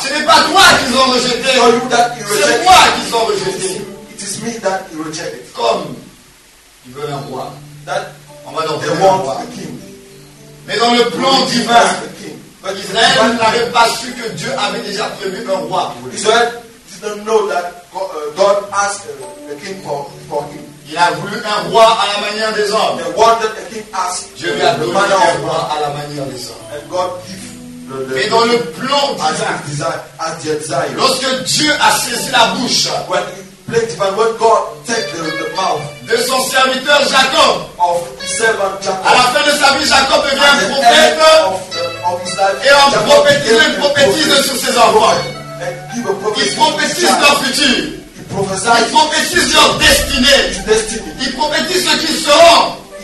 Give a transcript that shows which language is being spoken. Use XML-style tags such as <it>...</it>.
<fr>Ce n'est pas toi qu'ils ont rejeté.</fr> <en>Are you that he rejected?</en> <fr>C'est moi qu'ils ont rejeté.</fr> <en>It is me that he rejected.</en> <fr>Comme ils veulent un roi.</fr> <en>That</en> <fr>on va donc</fr> <en>they want a king.</en> <fr>Mais dans le plan divin, Israël n'avait pas su que Dieu avait déjà prévu un roi.</fr> <en>Israël didn't know that God asked the king for him.</en> <fr>Il a voulu un roi à la manière des hommes.</fr> <en>They wanted a king as</en> <fr>Dieu lui a donné un roi à la manière des hommes.</fr> <en>And God gave</en> <fr>mais dans le plan divin,</fr> <en>as desire.</en> <fr>Lorsque Dieu a saisi la bouche,</fr> <en>when he played divine, when God take the mouth</en> <fr>de son serviteur Jacob,</fr> <en>of his servant Jacob,</en> <fr>à la fin de sa vie, Jacob devient prophète et prophétise sur ses enfants.</fr> <en>Give a prophecy.</en> <fr>Il prophétise leur futur.</fr> <en>Prophesy.</en> <fr>Il prophétise leur destinée. Il prophétise ce qu'ils seront.</fr>